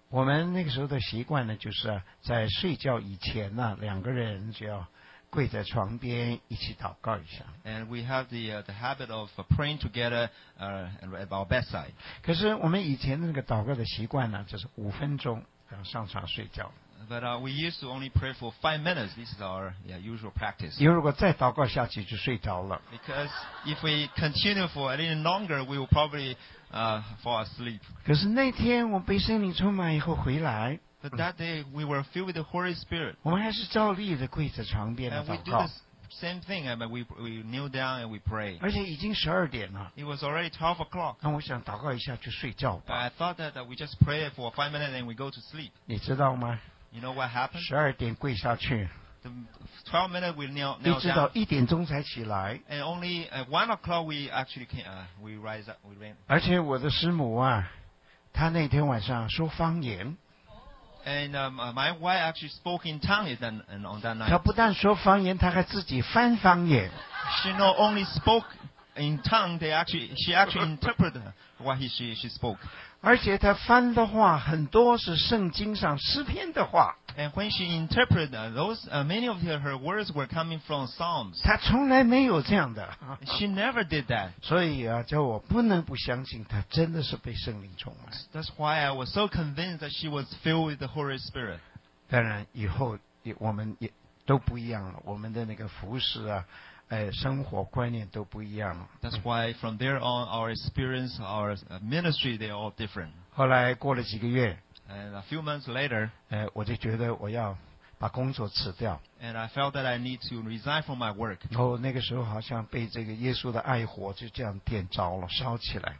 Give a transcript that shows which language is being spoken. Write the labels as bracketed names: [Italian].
[Chinese] 我们那个时候的习惯呢，就是在睡觉以前呢，两个人就要跪在床边一起祷告一下。 [English] And we have the habit of praying together at our bedside. [Chinese] 可是我们以前那个祷告的习惯呢，就是五分钟然后上床睡觉。 [English] But we used to only pray for 5 minutes. This is our usual practice. [Chinese] 因为如果再祷告下去就睡着了。 [English] Because if we continue for a little longer, we will probably fall asleep. [Chinese] 可是那天我被圣灵充满以后回来。 [English] But that day we were filled with the Holy Spirit. [Chinese] 我们还是照例的跪在床边的祷告。 [English] And we do the same thing. I mean, we kneel down and we pray. [Chinese] 而且已经十二点了。 [English] It was already 12 o'clock. [Chinese] 那我想祷告一下就睡觉吧。 [English] I thought that we just pray for 5 minutes and we go to sleep. [Chinese] 你知道吗？ [English] You know what happened? [Chinese] 12点跪下去。 [English] The 12 minutes we kneel down. [Chinese] 一直到1点钟才起来。 [English] And only at 1 o'clock we actually came, we rise up, we ran. [Chinese] 而且我的师母啊，她那天晚上说方言。 [English] And my wife actually spoke in tongues on that night. [Chinese] 她不但说方言，她还自己翻方言。 [English] She not only spoke in tongues, she actually interpreted what she spoke. [Chinese] 而且他翻的话很多是圣经上诗篇的话。 [English] And when she interpreted those, many of her words were coming from Psalms. [Chinese] 他从来没有这样的。 [English] She never did that. [Chinese] 所以啊，叫我不能不相信他真的是被圣灵充满。 [English] That's why I was so convinced that she was filled with the Holy Spirit. [Chinese] 当然，以后我们也都不一样了，我们的那个服事啊。生活观念都不一样。 [English] That's why from there on our experience, our ministry, they're all different. [Chinese] 后来过了几个月。 [English] And a few months later, [Chinese] 我就觉得我要把工作辞掉。 [English] And I felt that I need to resign from my work. [Chinese] 然后那个时候好像被这个耶稣的爱火就这样点着了，烧起来。